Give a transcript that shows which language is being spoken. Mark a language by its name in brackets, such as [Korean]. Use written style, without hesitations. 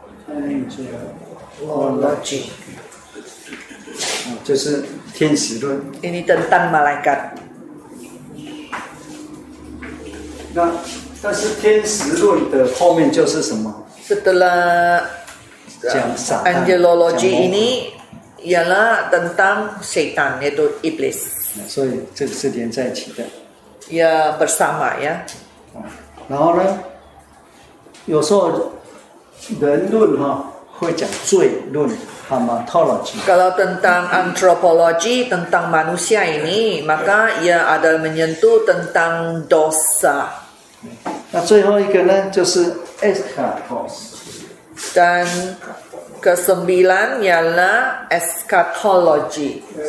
[Chinese] Angelology, 就是天使论。 [Malay] Ini tentang malaikat. [Chinese] 那但是天使论的后面就是什么 [Malay] ？Setelah [Chinese] 讲撒旦 [Malay] ，Angelology ini ialah tentang syaitan, iaitu iblis. [Chinese] 所以这个是连在一起的。 [Malay] Ya bersama ya. [Chinese] 然后呢，有时候人论哈会讲罪论 ，hamatology. [Malay] Kalau tentang antropologi tentang manusia ini, maka ia ada menyentuh tentang dosa. [Chinese] 那最后一个呢，就是 eschatos. [Malay] Dan kesembilan ialah eschatology.